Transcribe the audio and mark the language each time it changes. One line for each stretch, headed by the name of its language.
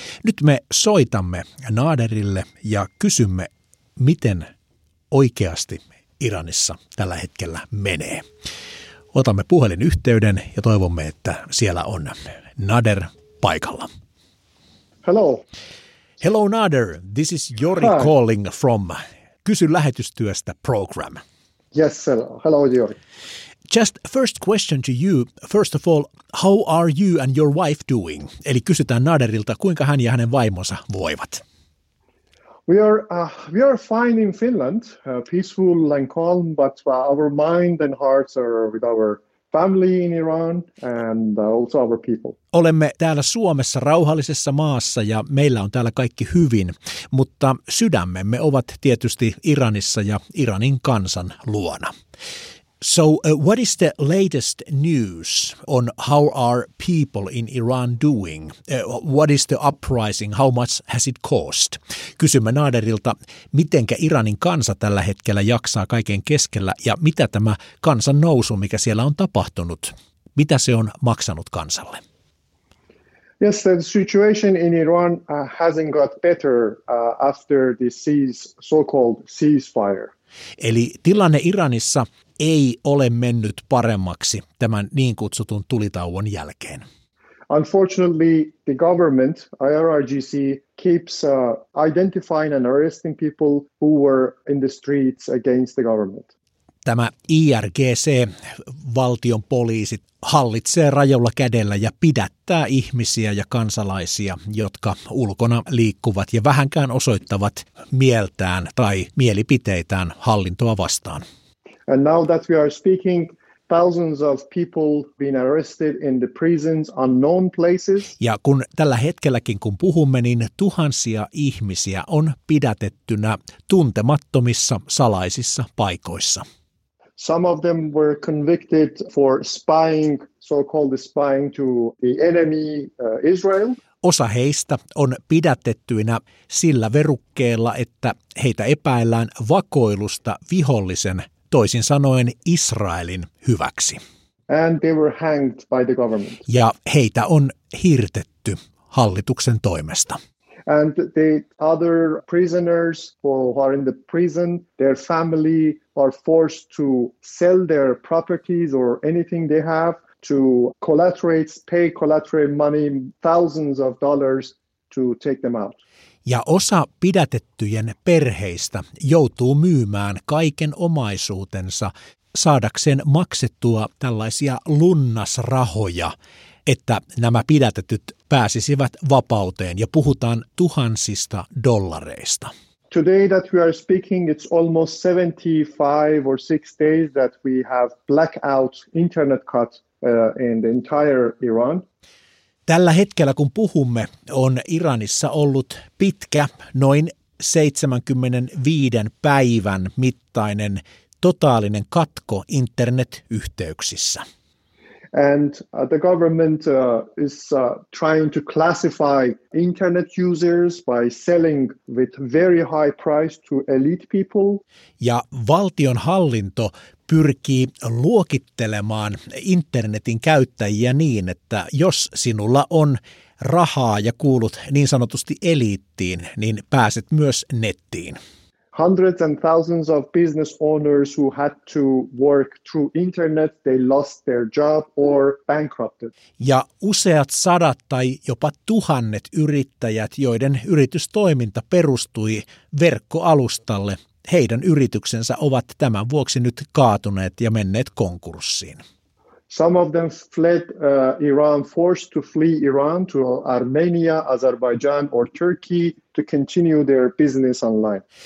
Finnish: Nyt me soitamme Naderille ja kysymme, miten oikeasti Iranissa tällä hetkellä menee. Otamme puhelinyhteyden ja toivomme, että siellä on Nader paikalla.
English: Hello. Hello Nader, this is Jori. Hi. Calling from Kysy lähetystyöstä -program. Yes, hello Jori. Just first question to you. First of all, how are you and your wife doing?
Finnish: Eli kysytään Naderilta, kuinka hän ja hänen vaimonsa voivat.
English: We are fine in Finland, peaceful and calm, but our mind and hearts are with our family in Iran and also our people.
Finnish: Olemme täällä Suomessa rauhallisessa maassa ja meillä on täällä kaikki hyvin, mutta sydämemme ovat tietysti Iranissa ja Iranin kansan luona.
English: So what is the latest news on how are people in Iran doing? What is the uprising? How much has it cost?
Finnish: Kysymme Naderilta, mitenkä Iranin kansa tällä hetkellä jaksaa kaiken keskellä ja mitä tämä kansan nousu, mikä siellä on tapahtunut, mitä se on maksanut kansalle?
English: Yes, the situation in Iran hasn't got better after the so-called ceasefire.
Finnish: Eli tilanne Iranissa ei ole mennyt paremmaksi tämän niin kutsutun tulitauon jälkeen.
English: Unfortunately, the government, IRGC, keeps identifying and arresting people who were in the streets against the government.
Finnish: Tämä IRGC, valtion poliisi, hallitsee rajalla kädellä ja pidättää ihmisiä ja kansalaisia, jotka ulkona liikkuvat ja vähänkään osoittavat mieltään tai mielipiteitään hallintoa vastaan.
English: And now that we are speaking, thousands of people being arrested in the prisons, unknown places.
Finnish: Ja kun tällä hetkelläkin kun puhumme, niin tuhansia ihmisiä on pidätettynä tuntemattomissa salaisissa paikoissa.
English: Some of them were convicted for spying, so-called spying to the enemy, Israel.
Finnish: Osa heistä on pidätettyinä sillä verukkeella, että heitä epäillään vakoilusta vihollisen, toisin sanoen Israelin hyväksi.
English: And they were hanged by the government.
Finnish: Ja heitä on hirtetty hallituksen toimesta.
English: And the other prisoners who are in the prison, their family are forced to sell their properties or anything they have to collaterate, pay collateral money, thousands of dollars to take them out.
Finnish: ja osa pidätettyjen perheistä joutuu myymään kaiken omaisuutensa saadakseen maksettua tällaisia lunnasrahoja, että nämä pidätetyt pääsisivät vapauteen, ja puhutaan tuhansista dollareista.
English: Today that we are speaking, it's almost 75 or 6 days that we have blackout internet cut in the entire Iran.
Finnish: Tällä hetkellä kun puhumme, on Iranissa ollut pitkä, noin 75 päivän mittainen totaalinen katko internet-yhteyksissä.
English: And the government is trying to classify internet users by selling with very high price to elite people.
Finnish: Ja valtion hallinto pyrkii luokittelemaan internetin käyttäjiä niin, että jos sinulla on rahaa ja kuulut niin sanotusti eliittiin, niin pääset myös nettiin.
English: Hundreds and thousands of business owners who had to work through internet, they lost their job or bankrupted.
Finnish: Ja useat sadat tai jopa tuhannet yrittäjät, joiden yritystoiminta perustui verkkoalustalle, heidän yrityksensä ovat tämän vuoksi nyt kaatuneet ja menneet konkurssiin.
English: Some of them fled Iran, forced to flee Iran to Armenia, Azerbaijan or Turkey to continue their business online.